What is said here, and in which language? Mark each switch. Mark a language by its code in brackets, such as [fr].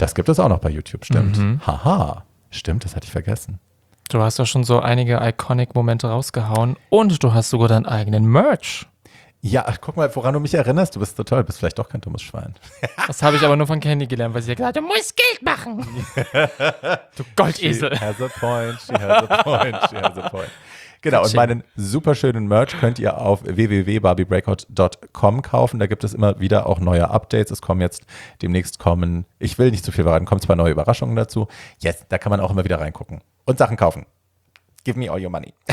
[de] Das gibt es auch noch bei YouTube, stimmt. Mhm. Haha, stimmt, das hatte ich vergessen. Du hast ja schon so einige Iconic-Momente rausgehauen und du hast sogar deinen eigenen Merch. Ja, ach, guck mal, woran du mich erinnerst. Du bist so toll, bist vielleicht doch kein dummes Schwein. Das habe ich aber nur von Candy gelernt, weil sie ja gesagt hat, du musst Geld machen. Du Goldesel. [en] She has a point, she has a point, she has a point. [de] Genau, und meinen superschönen Merch könnt ihr auf www.barbiebreakout.com kaufen. Da gibt es immer wieder auch neue Updates. Es kommen jetzt demnächst kommen, ich will nicht zu viel verraten, kommen zwei neue Überraschungen dazu. Yes, da kann man auch immer wieder reingucken und Sachen kaufen. [en] Give me all your money.